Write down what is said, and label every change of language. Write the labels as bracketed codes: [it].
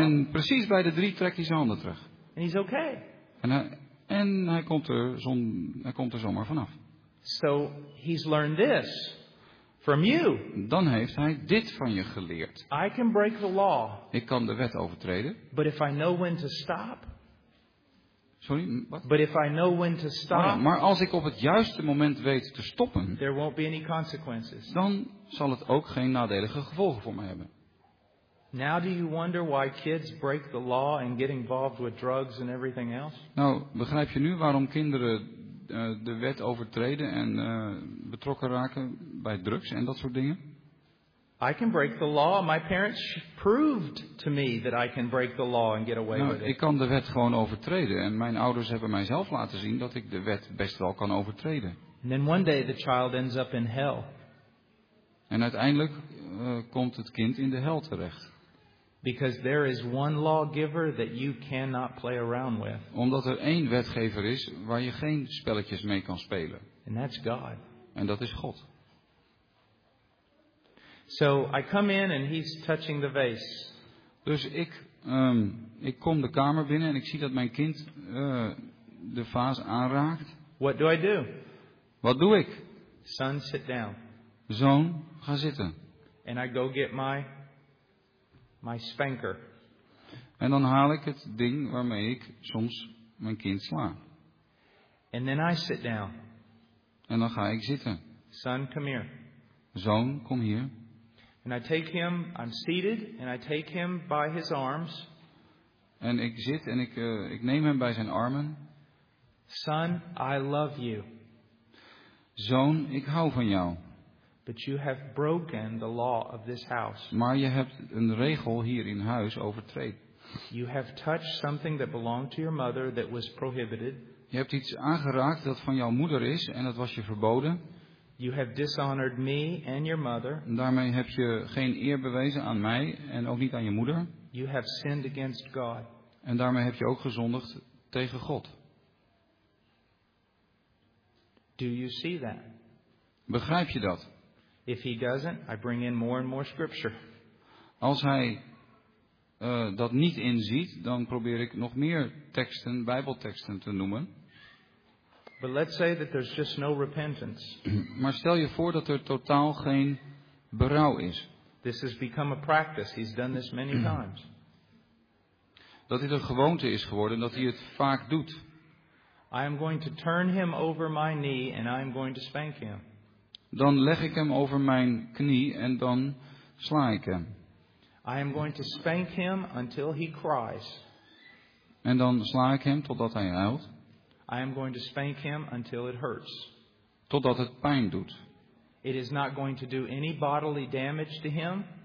[nl] En precies bij de drie trekt hij zijn handen terug. [en] And he's okay. [nl] En hij komt er zomaar vanaf. [en] So he's learned this from you. [nl] Dan heeft hij dit van je geleerd. [en] I can break the law. [nl] Ik kan de wet overtreden. [en] But if I know when to stop. Sorry, what? But if I know when to stop. [nl] Oh ja, maar als ik op het juiste moment weet te stoppen. [en] There won't be any consequences. [nl] Dan zal het ook geen nadelige gevolgen voor me hebben. [en] Now do you wonder why kids break the law and get involved with drugs and everything else? [nl] Nou, begrijp je nu waarom kinderen de wet overtreden en betrokken raken bij drugs en dat soort dingen? [en] I can break the law. My parents proved to me that I can break the law and get away with it. [nl] Ik kan de wet gewoon overtreden en mijn ouders hebben mijzelf laten zien dat ik de wet best wel kan overtreden. [en] And then one day the child ends up in hell. [nl] En uiteindelijk komt het kind in de hel terecht. [en] Because there is one lawgiver that you cannot play around with. [nl] Omdat er één wetgever is waar je geen spelletjes mee kan spelen. [en] And that's God. [nl] En dat is God. [en] So I come in and he's touching the vase. [nl] Dus ik kom de kamer binnen en ik zie dat mijn kind de vaas aanraakt. [en] What do I do? [nl] Wat doe ik? [en] Son, sit down. [nl] Zoon, ga zitten. [en] And I go get my spanker. [nl] En dan haal ik het ding waarmee ik soms mijn kind sla. [en] And then I sit down. [nl] En dan ga ik zitten. [en] Son, come here. [nl] Zoon, kom hier. [en] And I take him, I'm seated, and I take him by his arms. [nl] En ik zit en ik neem hem bij zijn armen. [en] Son, I love you. [nl] Zoon, ik hou van jou. [en] But you have broken the law of this house. [nl] Maar je hebt een regel hier in huis overtreden. [en] You have touched something that belonged to your mother that was prohibited. [nl] Je hebt iets aangeraakt dat van jouw moeder is en dat was je verboden. [en] You have dishonored me and your mother. [nl] Daarmee heb je geen eer bewezen aan mij en ook niet aan je moeder. [en] You have sinned against God. [nl] En daarmee heb je ook gezondigd tegen God. [en] Do you see that? [nl] Begrijp je dat? [en] If he doesn't, I bring in more and more scripture. [nl] Als hij dat niet inziet, dan probeer ik nog meer teksten, Bijbelteksten te noemen. [en] But let's say that there's just no repentance. [nl] Maar stel je voor dat er totaal geen berouw is. [en] This has become a practice. He's done this many times. [nl] Dat dit een gewoonte is geworden, dat hij het vaak doet. [en] I am going to turn him over my knee and I am going to spank him. [nl] Dan leg ik hem over mijn knie en dan sla ik hem. [en] I am going to spank him until he cries. [nl] En dan sla ik hem totdat hij huilt. [en] I am going to spank him until it hurts. [nl] Totdat het pijn doet. [en] It is not going to do any bodily damage to him.